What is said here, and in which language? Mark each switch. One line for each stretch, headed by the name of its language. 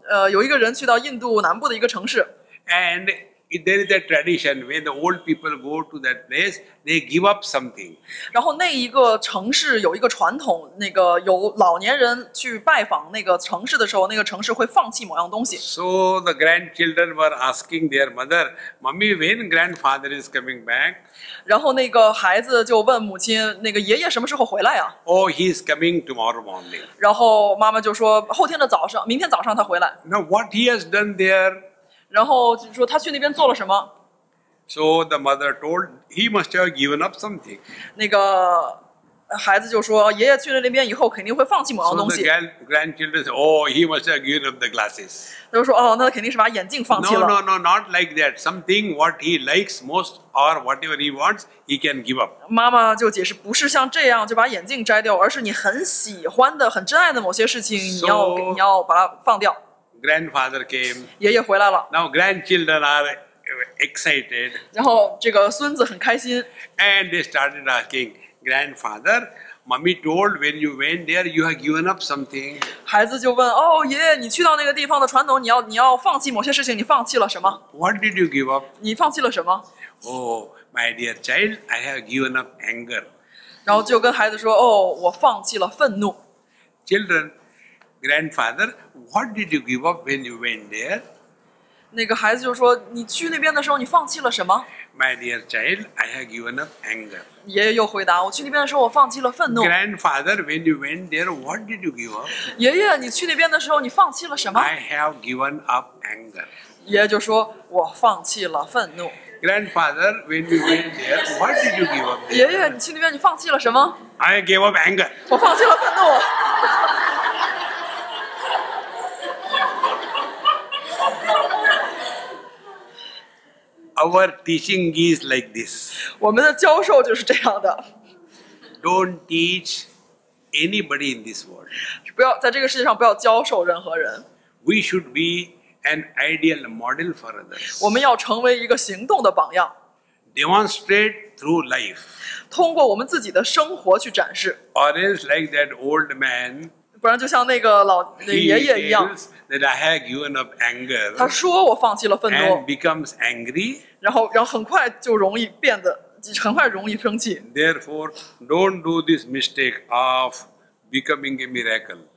Chinese: 有一个人去到印度南部的一个城市。
English: And there is a tradition when the old people go to that place, they give up something.
Chinese: 然后那一个城市有一个传统，那个有老年人去拜访那个城市的时候，那个城市会放弃某样东西。
English: So the grandchildren were asking their mother, "Mummy, when grandfather is coming back?"
Chinese: 然后那个孩子就问母亲，那个爷爷什么时候回来啊？
English: Oh, he is coming tomorrow morning.
Chinese: 然后妈妈就说，后天的早上，明天早上他回来。
English: Now what he has done there?
Chinese: 然后就说他去那边做了什么
English: ？So the mother told he must have given up something.
Chinese: 那个孩子就说爷爷去了那边以后肯定会放弃某样东西。
English: So the grandchildren said, "Oh, he must have given up the glasses."
Chinese: 他就说哦，那肯定是把眼镜放弃了。
English: No, not like that. Something what he likes most or whatever he wants, he can give up.
Chinese: 妈妈就解释不是像这样就把眼镜摘掉，而是你很喜欢的、很珍爱的某些事情，你要把它放掉。
English: Grandfather came.
Chinese: 爷爷回来了。
English: Now grandchildren are excited.
Chinese: 然后这个孙子很开心。
English: And they started asking, "Grandfather, mommy told when you went there, you have given up something."
Chinese: 孩子就问，哦，爷爷，你去到那个地方的传统，你要放弃某些事情，你放弃了什么
English: ？What did you give up?
Chinese: 你放弃了什么
English: ？Oh, my dear child, I have given up anger.
Chinese: 然后就跟孩子说，哦，我放弃了愤怒。
English: Children. Grandfather, what did you give up when you went there?
Chinese: 那个孩子就说，你去那边的时候，你放弃了什么？
English: My dear child, I have given up anger.
Chinese: 爷爷又回答，我去那边的时候，我放弃了愤怒。
English: Grandfather, when you went there, what did you give up?
Chinese: 爷爷，你去那边的时候，你放弃了什么？
English: I have given up anger.
Chinese: 爷爷就说，我放弃了愤怒。
English: Grandfather, when you went there, what did you give up?
Chinese: 爷爷，你去那边，你放弃了什么？
English: I gave up anger.
Chinese: 我放弃了愤怒。
English: Our teaching is like this.
Chinese: 我们的教授就是这样的。
English: Don't teach anybody in this world.
Chinese: 不要在这个世界上不要教授任何人。
English: We should be an ideal model for others.
Chinese: 我们要成为一个行动的榜样。
English: Demonstrate through life.
Chinese: 通过我们自己的生活去展示。
English: Or else like that old man.
Chinese: 不然就像那个老那爷爷一样。
English: That I have given up anger.
Chinese: 他说我放弃了愤怒。
English: And becomes angry.
Chinese: 然后很快就容易变得，很快容易生气。
English: Therefore, don't do this mistake of becoming a miracle.